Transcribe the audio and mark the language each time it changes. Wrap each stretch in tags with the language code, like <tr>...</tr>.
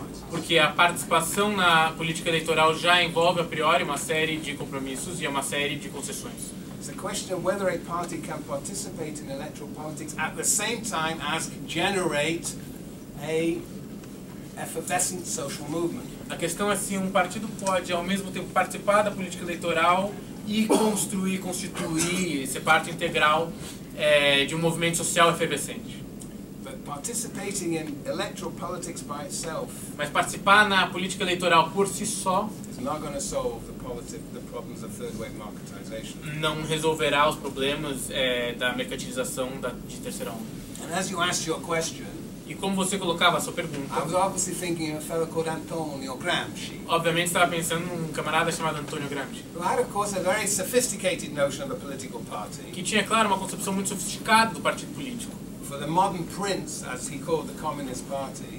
<pt>Porque a participação na política eleitoral já envolve, a priori, uma série de compromissos e uma série de concessões.</pt> <en>The question of whether a party can participate in electoral politics at the same time as generate a effervescent social movement.</en> <pt>A questão é se um partido pode, ao mesmo tempo, participar da política eleitoral e construir, constituir, ser parte integral de um movimento social efervescente.</pt> <en>But participating in electoral politics by itself,</en> <pt>mas participar na política eleitoral por si só,</pt> <en>is not going to solve the problems of third wave marketization.</en> <pt>Não resolverá os problemas da mercantilização de terceira onda.</pt> <en>And as you asked your question,</en> <pt>e como você colocava a sua pergunta,</pt> <en>I was obviously thinking of a fellow called Antonio Gramsci.</en> <pt>Obviamente estava pensando num camarada chamado Antonio Gramsci.</pt> <en>Who had, of course, a very sophisticated notion of a political party.</en> <pt>Que tinha, claro, uma concepção muito sofisticada do partido político.</pt> <en>For the modern prince, as he called the Communist Party.</en>